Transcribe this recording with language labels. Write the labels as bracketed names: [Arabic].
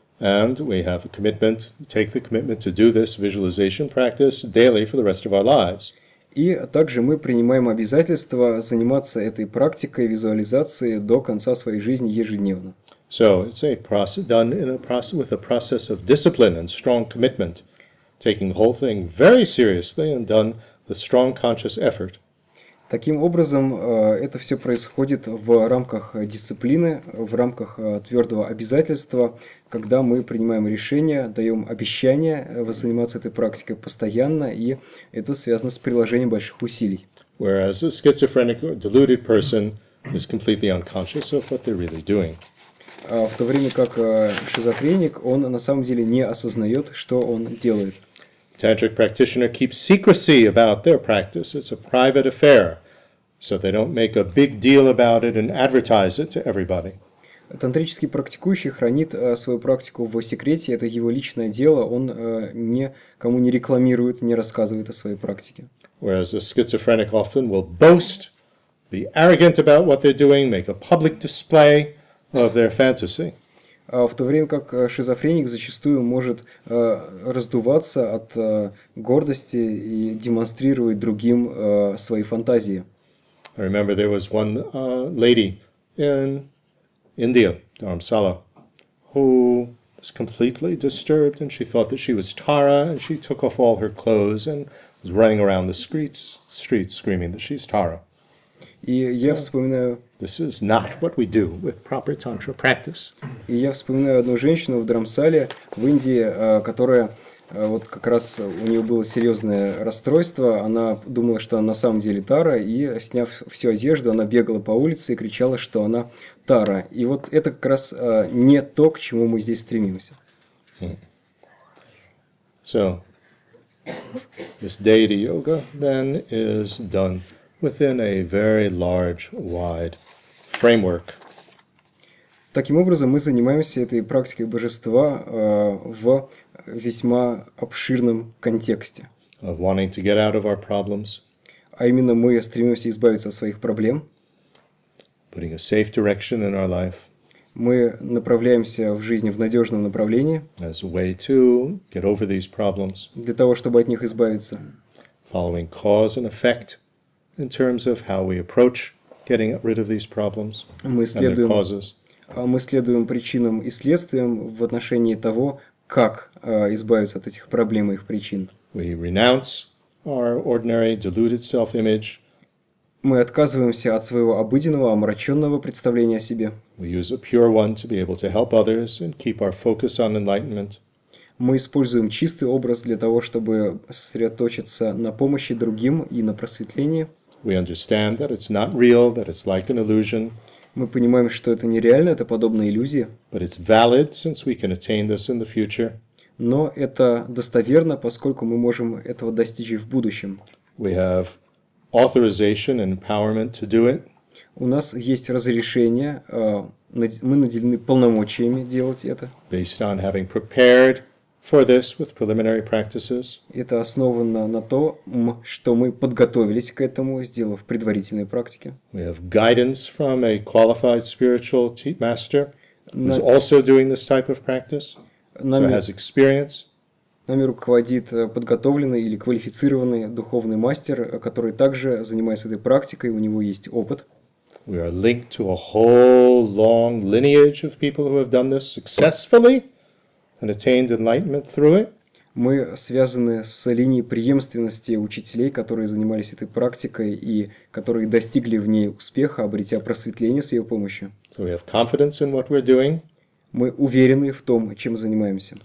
[English] And we have a commitment, take the commitment to do this visualization practice daily for the rest of our lives. [Russian] И также мы принимаем обязательство заниматься этой практикой визуализации до конца своей жизни ежедневно. [English] So it's a process done in a process with a process of discipline and strong commitment, taking the whole thing very seriously and done with strong conscious effort. [Russian] Таким образом, это все происходит в рамках дисциплины, в рамках твердого обязательства, когда мы принимаем решение, даем обещание заниматься этой практикой постоянно, и это связано с приложением больших усилий. [English] Whereas a schizophrenic or deluded person is completely unconscious of what they're really doing. [Russian] В то время как шизофреник, он на самом деле не осознает, что он делает. [English] Tantric practitioner keeps secrecy about their practice. It's a private affair, so they don't make a big deal about it and advertise it to everybody. [Russian] Тантрический практикующий хранит свою практику в секрете. Это его личное дело. Он никому не рекламирует, не рассказывает о своей практике. [English] Whereas a schizophrenic often will boast, be arrogant about what they're doing, make a public display of their fantasy. [Russian] В то время как шизофреник зачастую может раздуваться от гордости и демонстрировать другим свои фантазии. [English] I remember there was one lady in India, Dharamsala, who was completely disturbed, and she thought that she was Tara, and she took off all her clothes and was running around the streets screaming that she's Tara. [Russian] И я вспоминаю... [English] This is not what we do with proper tantra practice. [Russian] И я вспоминаю одну женщину в Дхармасале в Индии, которая вот как раз у нее было серьезное расстройство. Она думала, что она на самом деле Тара, и сняв всю одежду, она бегала по улице и кричала, что она Тара. И вот это как раз не то, к чему мы здесь стремимся. [English] So, this deity yoga then is done within a very large, wide framework. [Russian] Таким образом, мы занимаемся этой практикой божества в весьма обширном контексте. [English] Of wanting to get out of our problems. [Russian] А именно, мы стремимся избавиться от своих проблем. [English] Putting a safe direction in our life. [Russian] Мы направляемся в жизни в надежном направлении. [English] As a way to get over these problems. [Russian] Для того, чтобы от них избавиться. [English] Following cause and effect. In terms of how we approach getting rid of these problems and their causes. [Russian] Мы следуем причинам и следствиям в отношении того, как избавиться от этих проблем и их причин. [English] We renounce our ordinary deluded self-image. [Russian] Мы отказываемся от своего обыденного, омраченного представления о себе. [English] We use a pure one to be able to help others and keep our focus on enlightenment. [Russian] Мы используем чистый образ для того, чтобы сосредоточиться на помощи другим и на просветлении. [English] We understand that it's not real, that it's like an illusion. [Russian] Мы понимаем, что это нереально, это подобно иллюзии. [English] But it's valid, since we can attain this in the future. [Russian] Но это достоверно, поскольку мы можем этого достичь и в будущем. [English] We have authorization and empowerment to do it. [Russian] У нас есть разрешение, мы наделены полномочиями делать это. [English] Based on having prepared for this with preliminary practices. [Russian] Это основано на том, что мы подготовились к этому, сделав предварительные практики. [English] We have guidance from a qualified spiritual master who's also doing this type of practice, so has experience. [Russian] Нами руководит подготовленный или квалифицированный духовный мастер, который также занимается этой практикой, у него есть опыт. [English] We are linked to a whole long lineage of people who have done this successfully and attained enlightenment through it. [Russian] Мы связаны с линией преемственности учителей, которые занимались этой практикой и которые достигли в ней успеха, обретя просветление с ее помощью. [English] So we have confidence in what we're doing. [Russian] Мы уверены в том, чем занимаемся.